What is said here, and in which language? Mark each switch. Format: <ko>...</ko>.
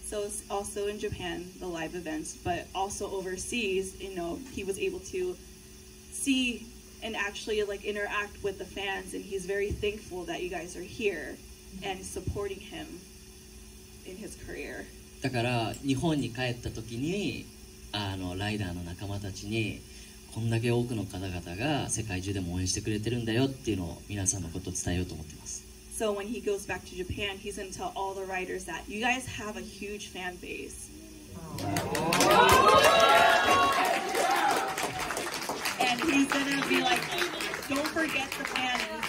<en>So also in Japan the live events, but also overseas, you know, he was able to see and actually like interact with the fans, and he's very thankful that you guys are here and supporting him in his career.</en> <ja>だから日本に帰った時に。ライダーの仲間たちにこんだけ多くの方々が世界中でも応援してくれてるんだよっていうのを皆さんのことを伝えようと思ってます。</ja> <en>So when he goes back to Japan, he's going to tell all the writers that you guys have a huge fan base. And he's going to be like, don't forget the fans.</en>